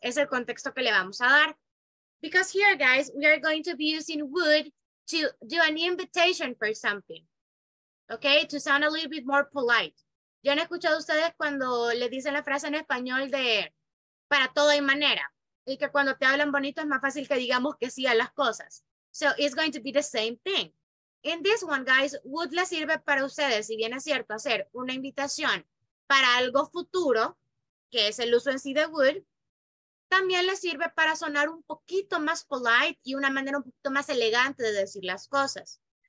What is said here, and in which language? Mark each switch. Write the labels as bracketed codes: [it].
[es] Es el contexto que le vamos a dar. [en] Because here, guys, we are going to be using wood to do an invitation for something. Okay, to sound a little bit more polite. [es] Yo no he escuchado a ustedes cuando le dicen la frase en español de para todo hay manera. Y que cuando te hablan bonito es más fácil que digamos que sí a las cosas. [en] So it's going to be the same thing. In this one, guys, [es] wood le sirve para ustedes, si bien es cierto, hacer una invitación para algo futuro, que es el uso en sí de wood, también le sirve para sonar un poquito más polite y una manera un poquito más elegante de decir las cosas.